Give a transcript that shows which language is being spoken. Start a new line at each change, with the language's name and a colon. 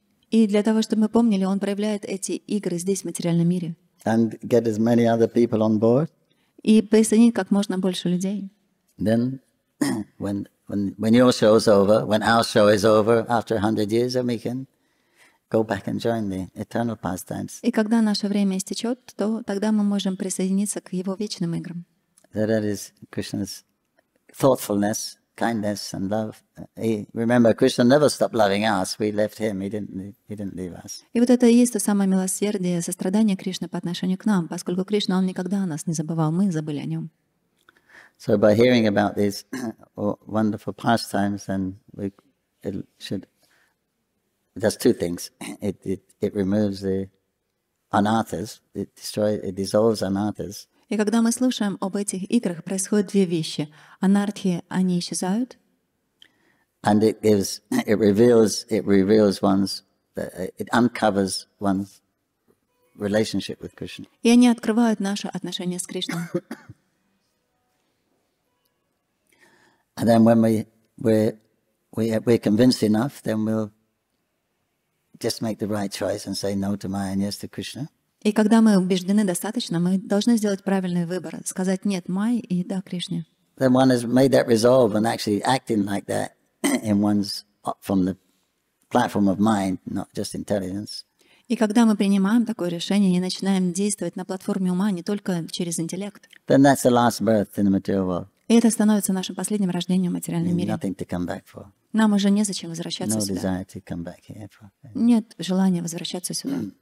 Russian: И для того, чтобы мы помнили, он проявляет эти игры здесь, в материальном мире.
English: And get as many other people on board.
Russian: И присоединить как можно больше людей.
English: Then, when your show is over, when our show is over, after 100 years, then we can go back and join the eternal pastimes.
Russian: И когда наше время истечет, то тогда мы можем присоединиться к его вечным играм.
English: That is Krishna's thoughtfulness. Kindness and love. Remember, Krishna never stopped loving us. We left him. He didn't leave us.
Russian: И вот это и есть то самое милосердие, сострадание Кришны по отношению к нам, поскольку Кришна он никогда нас не забывал, мы забыли о нем.
English: So by hearing about these wonderful pastimes, then it does two things. It removes the anarthas. It dissolves anarthas.
Russian: И когда мы слушаем об этих играх, происходят две вещи. Анартхи, они исчезают.
English: And it uncovers one's relationship with Krishna.
Russian: И они открывают наши отношения с Кришной.
English: And then when we're convinced enough, then we'll just make the right choice and say no to Maya and yes to Krishna.
Russian: И когда мы убеждены достаточно, мы должны сделать правильный выбор, сказать нет Май и да Кришне.
English: Then one has made that resolve and actually acting like that in one's from the platform of mind, not just intelligence.
Russian: И когда мы принимаем такое решение и начинаем действовать на платформе ума, не только через интеллект.
English: Then that's the last birth in the material world.
Russian: И это становится нашим последним рождением в материальном мире.
English: Nothing to come back for.
Russian: Нам уже незачем возвращаться сюда.
English: No desire to come back here for.
Russian: Нет желания возвращаться сюда.